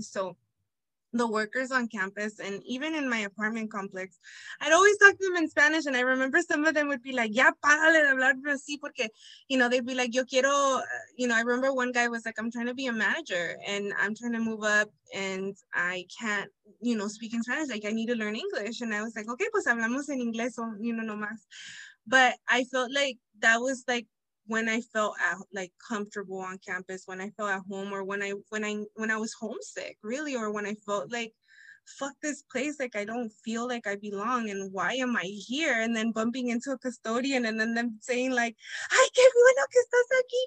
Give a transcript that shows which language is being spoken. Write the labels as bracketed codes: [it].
[en] So the workers on campus, and even in my apartment complex, I'd always talk to them in Spanish. And I remember some of them would be like, [es] ya párale de hablar así, porque, [en] you know, they'd be like, [es] yo quiero, [en] you know, I remember one guy was like, I'm trying to be a manager and I'm trying to move up and I can't, you know, speak in Spanish. Like, I need to learn English. And I was like, okay, [es] pues hablamos en inglés, [en] so, you know, [es] no más. [en] But I felt like that was like when I felt like comfortable on campus, when I felt at home, or when I was homesick, really, or when I felt like fuck this place. Like, I don't feel like I belong. And why am I here? And then bumping into a custodian and then them saying like, [es] ay, que bueno que estás aquí.